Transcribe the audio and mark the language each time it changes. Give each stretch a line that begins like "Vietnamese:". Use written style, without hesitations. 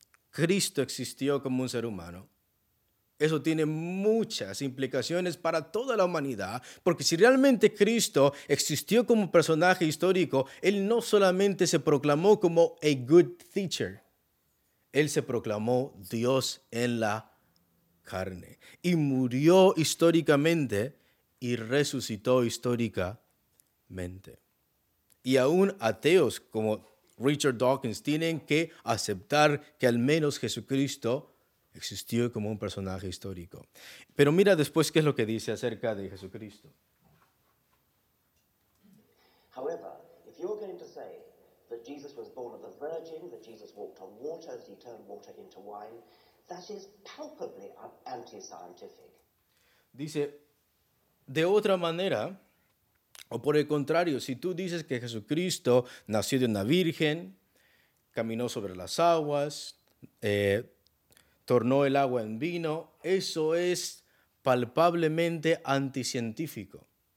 Spanish: Cristo existió como un ser humano. Eso tiene muchas implicaciones para toda la humanidad, porque si realmente Cristo existió como personaje histórico, él no solamente se proclamó como
English: a good teacher,
Spanish: él se proclamó Dios en la carne y murió históricamente y resucitó históricamente. Y aún ateos como Richard Dawkins tienen que aceptar que al menos Jesucristo existió como un personaje histórico. Pero mira después qué es lo que dice acerca de Jesucristo.
English: However, if you're going to say that Jesus was born of a virgin, that Jesus walked on water, that he turned water into wine, that is palpably anti-scientific.
Spanish: Dice, de otra manera, o por el contrario, si tú dices que Jesucristo nació de una virgen, caminó sobre las aguas, tornó el agua en vino, eso es palpablemente anticientífico.